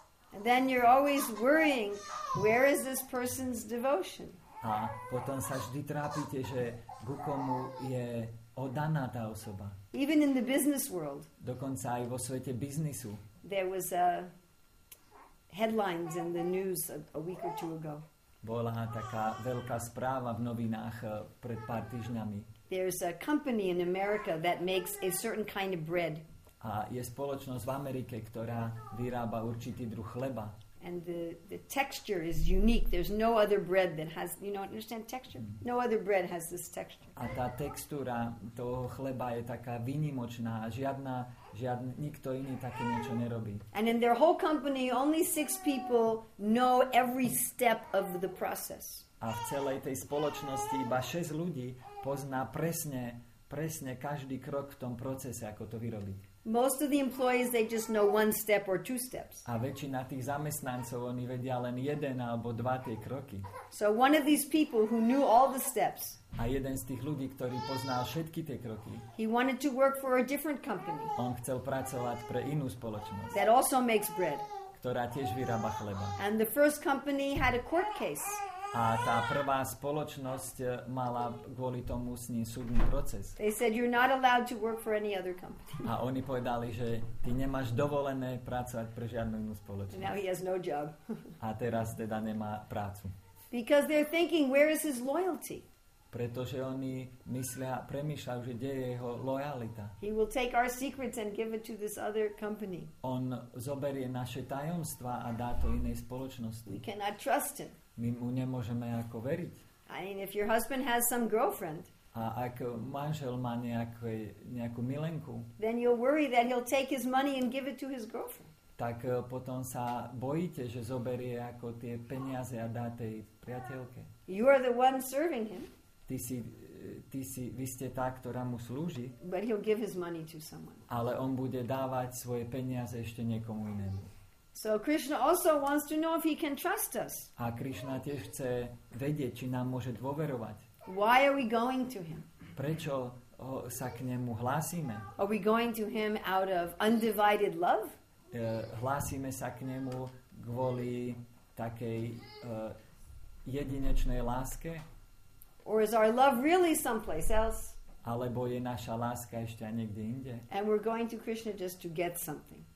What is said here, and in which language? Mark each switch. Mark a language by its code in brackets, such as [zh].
[en] And then you're always worrying, where is this person's devotion? [sk] A potom sa vždy trápite, že ku komu je oddaná tá osoba. [en] Even in the business world. [sk] Dokonca aj vo svete biznisu. [en] There was a headlines in the news a week or two ago. [sk] Bola taká veľká správa v novinách pred pár týždňami. [en] There's a company in America that makes a certain kind of bread. [sk] A je spoločnosť v Amerike, ktorá vyrába určitý druh chleba. [en] And the texture is unique. There's no other bread that has, you know, understand texture? No other bread has this texture. [sk] A tá textúra toho chleba je taká výnimočná. Žiadna, nikto iný také niečo nerobí. [en] And in their whole company, only 6 people know every step of the process. [sk] A v celej tej spoločnosti iba 6 ľudí pozná presne každý krok v tom procese, ako to vyrobiť. [en] Most of the employees, they just know one step or two steps. [sk] A väčšina tých zamestnancov, oni vedia len jeden alebo dva tie kroky. [en] So one of these people who knew all the steps. [sk] A jeden z tých ľudí, ktorý poznal všetky tie kroky. [en] He wanted to work for a different company. [sk] On chcel pracovať pre inú spoločnosť. [en] That also makes bread. [sk] Ktorá tiež vyrába chleba. [en] And the first company had a court case. [sk] A tá prvá spoločnosť mala kvôli tomu s ním súdny proces. [en] They said you're not allowed to work for any other company. [sk] A oni povedali, že ty nemáš dovolené pracovať pre žiadnu inú spoločnosť. [en] Now he has no job. [sk] A teraz teda nemá prácu. [en] Because they're thinking, where is his loyalty? [sk] Pretože oni myslia, premýšľajú, že kde je jeho lojalita. [en] He will take our secrets and give it to this other company. [sk] On zoberie naše tajomstvá a dá to inej spoločnosti. [en] We cannot trust him. [sk] My mu nemôžeme ako veriť. [en] I mean, if your husband has some girlfriend. [sk] A ak manžel má nejakú milenku. [en] Then you'll worry that he'll take his money and give it to his girlfriend. [sk] Tak potom sa bojíte, že zoberie ako tie peniaze a dá tej priateľke. [en] You are the one serving him. [sk] Vy ste tá, ktorá mu slúži. [en] But he'll give his money to someone. [sk] Ale on bude dávať svoje peniaze ešte niekomu inému. [en] So Krishna also wants to know if he can trust us. [sk] A Krishna tiež chce vedieť, či nám môže dôverovať. [en] Why are we going to him? [sk] Prečo sa k nemu hlásime? [en] Are we going to him out of undivided love? [sk] Hlásime sa k nemu kvôli takej jedinečnej láske? [en] Or is our love really someplace else? [sk] Alebo je naša láska ešte niekde inde? [en] And we're going to Krishna just to get something.